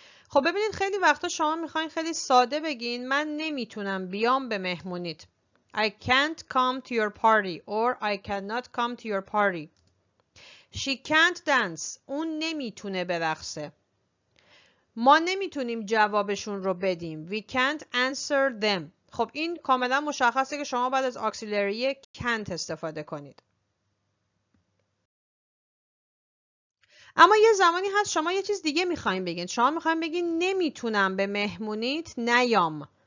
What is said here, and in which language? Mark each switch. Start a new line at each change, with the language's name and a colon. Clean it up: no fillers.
Persian: خب ببینید خیلی وقتا شما میخواین خیلی ساده بگین من نمیتونم بیام به مهمونیت.
English: I can't come to your party or I cannot come to your party. She can't dance.
Persian: اون نمیتونه برقصه. ما نمیتونیم جوابشون رو بدیم.
English: We can't answer them.
Persian: خب این کاملا مشخصه که شما بعد از auxiliary can't استفاده کنید. اما یه زمانی هست شما یه چیز دیگه میخواییم بگین. شما میخواییم بگین نمیتونم به مهمونیت نیام.